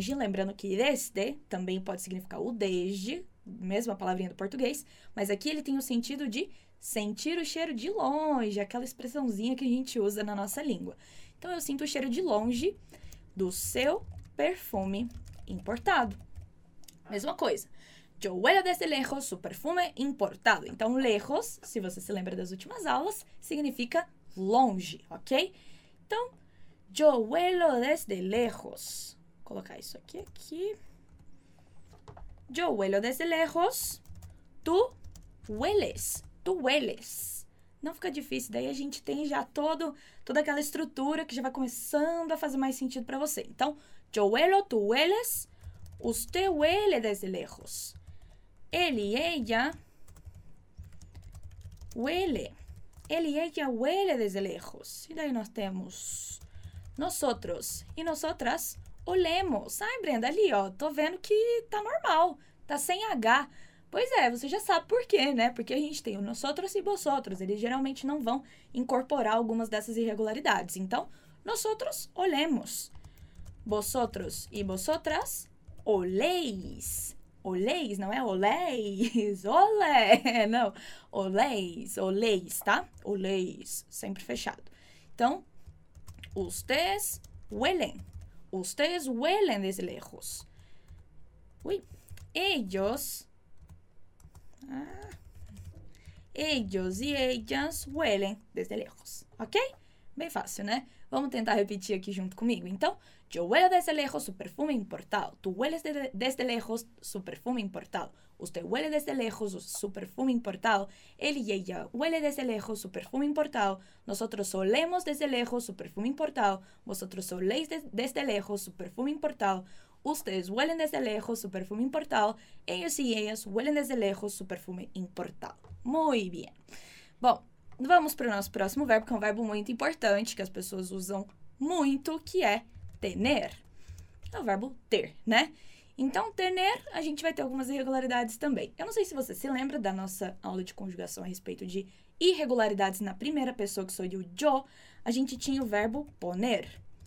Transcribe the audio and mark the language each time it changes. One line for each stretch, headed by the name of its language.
Portuguese: Lembrando que desde também pode significar o desde, mesma palavrinha do português. Mas aqui ele tem o sentido de sentir o cheiro de longe, aquela expressãozinha que a gente usa na nossa língua. Então, eu sinto o cheiro de longe do seu perfume importado. Mesma coisa.
Spanish: Yo huelo desde lejos su perfume importado.
Portuguese: Então, lejos, se você se lembra das últimas aulas, significa longe, ok?
Spanish: Então, yo huelo desde lejos.
Portuguese: Vou colocar isso aqui.
Spanish: Yo huelo desde lejos tu hueles, tu hueles.
Portuguese: Não fica difícil, daí a gente tem já toda aquela estrutura que já vai começando a fazer mais sentido para você.
Spanish: Então, yo huelo, tú hueles, usted huele desde lejos. Ele e ella huele. Ele e ella huele desde lejos.
Portuguese: E daí nós temos
Spanish: nosotros e nosotras olemos.
Portuguese: Ai, Brenda, ali, ó, tô vendo que tá normal, tá sem H. Pois é, você já sabe por quê, né? Porque a gente tem o nosotros e vosotros. Eles geralmente não vão incorporar algumas dessas irregularidades.
Spanish: Então, nosotros olemos. Vosotros e vosotras oleis.
Portuguese: Oleis, não é oleis. Olé, não. Oleis, oleis, tá? Oleis, sempre fechado.
Spanish: Então, ustedes huelen. Ustedes huelen desde lejos. Ui. Ellos... Ah. Ellos y ellas huelen desde lejos, ok?
Portuguese: Bem fácil, né? Vamos tentar repetir aqui junto comigo.
Spanish: Então, yo huelo desde lejos su perfume importado. Tú hueles desde lejos su perfume importado. Usted huele desde lejos su perfume importado. Él y ella huele desde lejos su perfume importado. Nosotros olemos desde lejos su perfume importado. Vosotros oléis desde lejos su perfume importado. Ustedes huelen desde lejos su perfume importado. Ellos y ellas huelen desde lejos su perfume importado. Muy bien.
Portuguese: Bom, vamos para o nosso próximo verbo, que é um verbo muito importante, que as pessoas usam muito, que é tener. É o verbo ter, né? Então, tener, a gente vai ter algumas irregularidades também. Eu não sei se você se lembra da nossa aula de conjugação a respeito de irregularidades na primeira pessoa, que sou eu, yo, a gente tinha o verbo poner.